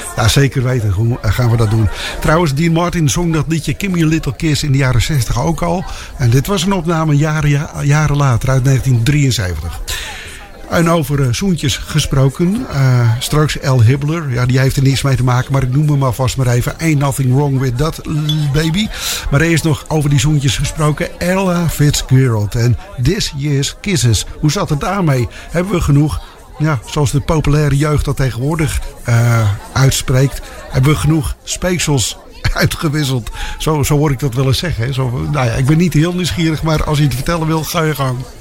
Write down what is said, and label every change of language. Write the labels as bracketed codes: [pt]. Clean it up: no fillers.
[nl] Ja, zeker weten gaan we dat doen. Trouwens, Dean Martin zong dat liedje Kimmy A Little Kiss in de jaren 60 ook al. En dit was een opname jaren later, uit 1973. En over zoentjes gesproken, straks Al Hibbler. Ja, die heeft er niets mee te maken, maar ik noem hem alvast maar even. [en] Ain't nothing wrong with that, baby. [nl] Maar eerst nog over die zoentjes gesproken, Ella Fitzgerald en This Year's Kisses. Hoe zat het daarmee? Hebben we genoeg, ja, zoals de populaire jeugd dat tegenwoordig uitspreekt, hebben we genoeg speeksels uitgewisseld? Zo hoor ik dat wel eens zeggen. Zo, nou ja, ik ben niet heel nieuwsgierig, maar als je het vertellen wil, ga je gang.